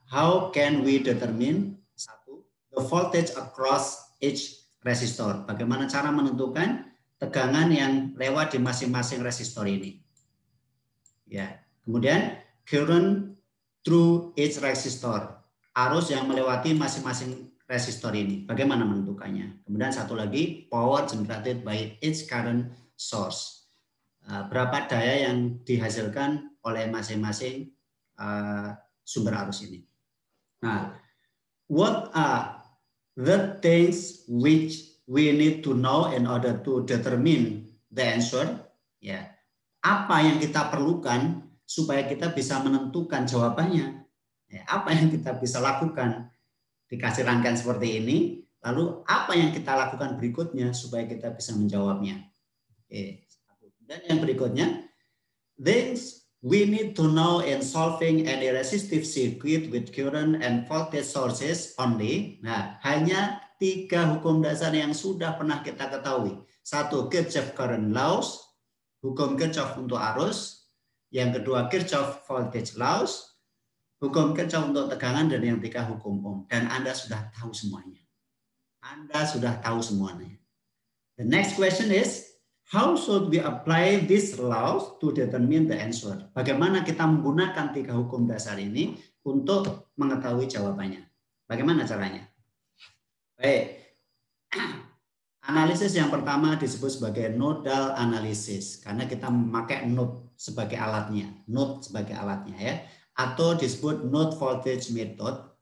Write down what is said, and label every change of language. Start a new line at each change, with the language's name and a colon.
English: How can we determine, satu, the voltage across each resistor?
Indonesian: Bagaimana cara menentukan tegangan yang lewat di masing-masing resistor ini? Ya. Kemudian,
English: current through each resistor,
Indonesian: arus yang melewati masing-masing resistor ini, bagaimana menentukannya? Kemudian satu lagi,
English: power generated by each current source.
Indonesian: Berapa daya yang dihasilkan oleh masing-masing sumber arus ini.
English: Nah, what are the things which we need to know in order to determine the answer?
Indonesian: Ya, apa yang kita perlukan supaya kita bisa menentukan jawabannya? Ya, apa yang kita bisa lakukan? Dikasih rangkaian seperti ini, lalu apa yang kita lakukan berikutnya supaya kita bisa menjawabnya? Oke. Dan yang berikutnya,
English: things we need to know in solving any resistive circuit with current and voltage sources only.
Indonesian: Nah, hanya tiga hukum dasar yang sudah pernah kita ketahui. Satu,
English: Kirchhoff current laws,
Indonesian: hukum Kirchhoff untuk arus. Yang kedua,
English: Kirchhoff voltage laws,
Indonesian: hukum Kirchhoff untuk tegangan, dan yang ketiga hukum Ohm. Dan Anda sudah tahu semuanya.
English: The next question is, How should we apply these laws to determine the answer?
Indonesian: Bagaimana kita menggunakan tiga hukum dasar ini untuk mengetahui jawabannya? Bagaimana caranya? Baik. Analisis yang pertama disebut sebagai nodal analysis karena kita memakai node sebagai alatnya, node sebagai alatnya ya, atau disebut node voltage method.